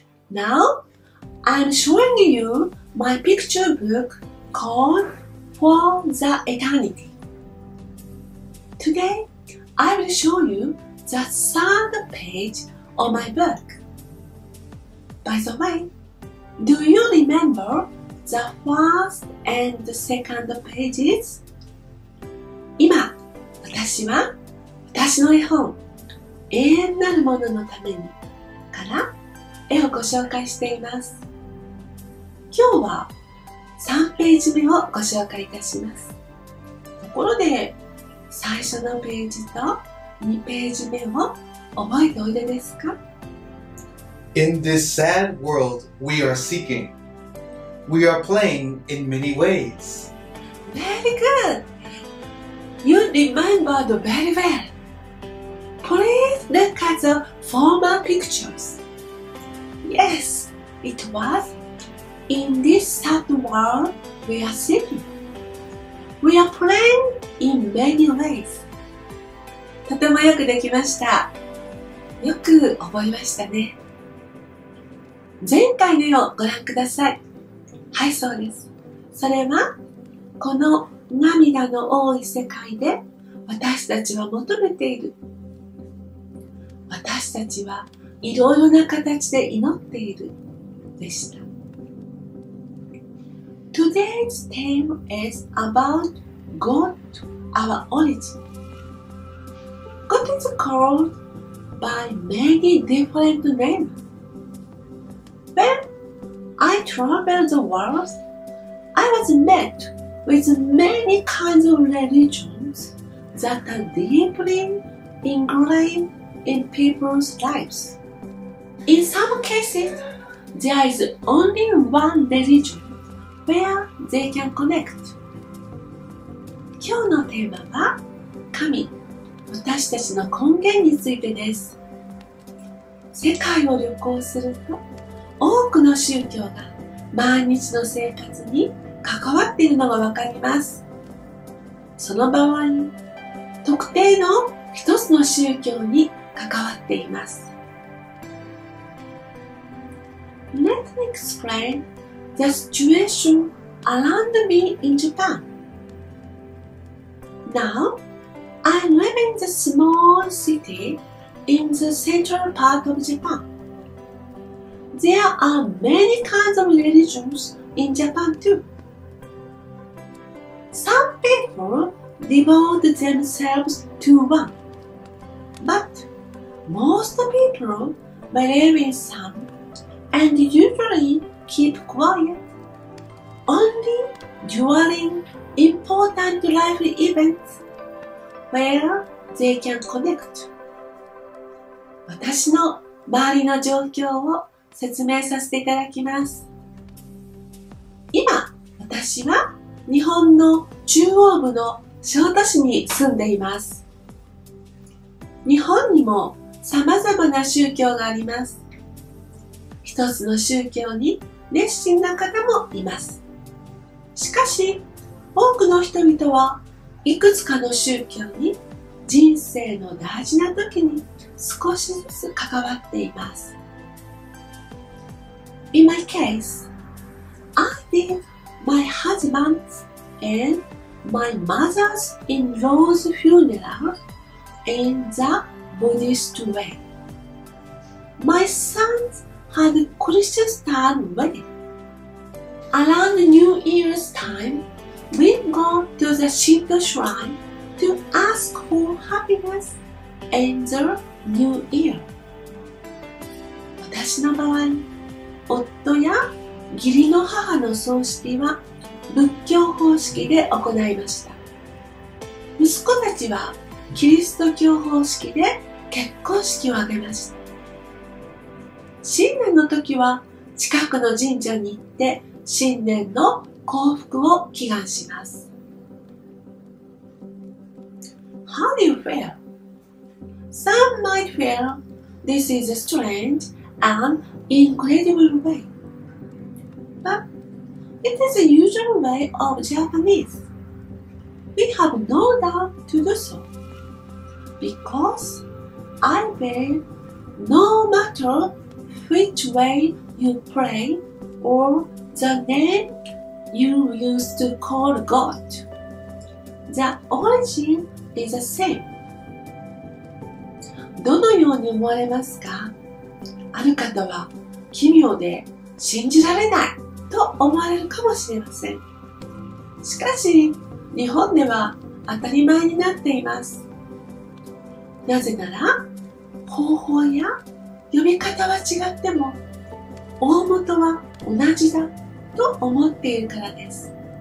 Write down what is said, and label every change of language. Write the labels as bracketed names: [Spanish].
[English] Now, I'm showing you my picture book called For the Eternity. Today, I will show you the third page of my book. By the way, do you remember the first and the second pages? [Japanese] 今、私は私の絵本永遠なるもののためにから絵をご紹介しています。今日は3ページ目をご紹介いたします。ところで最初のページと2ページ目を覚えておいでですか？ [English] In this sad world we are seeking. We are playing in many ways. Very good! You remembered very well. Please look at the former pictures. Yes, it was in this sad world we are seeking. We are playing in many ways. [Japanese] とてもよくできました。よく覚えましたね。前回の絵をご覧ください。はい、そうです。それはこの涙の多い世界で私たちは求めている。私たちはいろいろな形で祈っているでした。 [English] Today's theme is about God, our origin. God is called by many different names. When I traveled the world, I was met with many kinds of religions that are deeply ingrained. In people's lives. In some cases, there is only one religion where they can connect. [Japanese] 今日のテーマは神、私たちの根源についてです。世界を旅行すると、多くの宗教が毎日の生活に関わっているのがわかります。その場合、特定の一つの宗教に関わっています。 [English] Let me explain the situation around me in Japan. Now, I live in the small city in the central part of Japan. There are many kinds of religions in Japan too. Some people devote themselves to one, butMost people believe in some and usually keep quiet only during important life events where they can connect. [Japanese] 私の周りの状況を説明させていただきます。今、私は日本の中央部の小都市に住んでいます。日本にも様々な宗教があります。一つの宗教に熱心な方もいます。しかし、多くの人々はいくつかの宗教に人生の大事な時に少しずつ関わっています。 [English] In my case, I think my husband's and my mother's in-law's funeral in theBuddhist way. My sons had Christian style wedding. Around New Year's time, we go to the Shinto shrine to ask for happiness in the New Year. [Japanese] 私の場合、夫や義理の母の葬式は仏教方式で行いました。息子たちはキリスト教方式で結婚式を挙げました。新年の時は近くの神社に行って新年の幸福を祈願します。 [English] How do you feel? Some might feel this is a strange and incredible way. But it is a usual way of Japanese. We have no doubt to do so. Because I believe No matter which way you pray or the name you used to call God, the origin is the same. [Japanese] どのように思われますか？ある方は奇妙で信じられないと思われるかもしれません。しかし日本では当たり前になっています。なぜなら方法や呼び方は違っても大元は同じだと思っているからです。